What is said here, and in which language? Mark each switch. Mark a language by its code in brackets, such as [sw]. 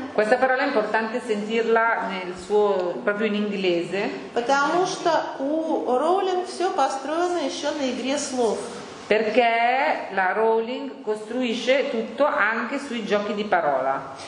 [it] Questa parola è importante sentirla nel suo proprio in inglese. [ru] Потому что у Роулинг все построено еще на игре слов. [it] Perché la Rowling costruisce tutto anche sui giochi di parola.